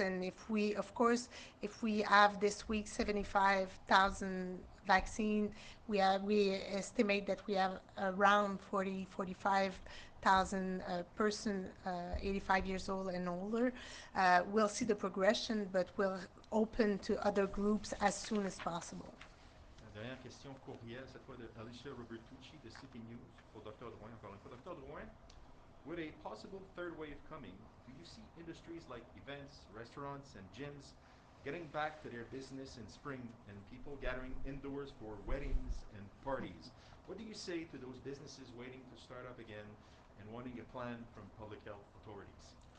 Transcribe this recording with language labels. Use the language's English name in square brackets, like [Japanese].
[English] And if we have this week 75,000 vaccine, we estimate that we have around 40-45,000 person 85 years old and older. We'll see the progression, but we'll open to other groups as soon as possible. [French] La dernière question courriel, cette fois de Alicia Robertucci de City News pour Dr. Drouin. Pour Dr. [English] Drouin, with a possible third wave coming, do you see industries like events, restaurants, and gyms getting back to their business in spring and people gathering indoors for weddings and parties? What do you say to those businesses waiting to start up again and wanting a plan from public health authorities?